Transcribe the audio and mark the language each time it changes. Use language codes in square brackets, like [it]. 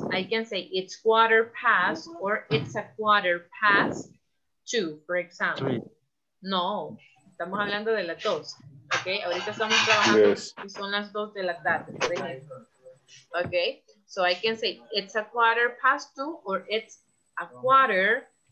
[en] I can say it's 1:15 or it's 2:15, for example. [es] No, estamos hablando de las 2. Ok, ahorita estamos trabajando y son las 2 de la tarde, por ejemplo. [en] Okay, so I can say it's 2:15 or it's 2:15.